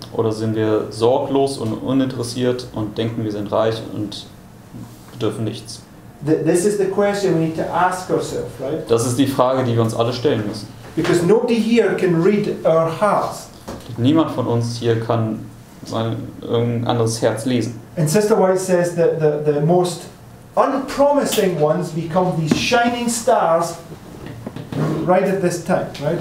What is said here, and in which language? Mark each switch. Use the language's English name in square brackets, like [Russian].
[German] Oder sind wir sorglos und uninteressiert und denken, wir sind reich und bedürfen nichts? [English] This is the question we need to ask ourselves, right? [German] Das ist die Frage, die wir uns alle stellen müssen. [English] Because nobody here can read our hearts. [German] Niemand von uns hier kann sein anderes Herz lesen. [English] And Sister White says that the most unpromising ones become these shining stars right at this time, right?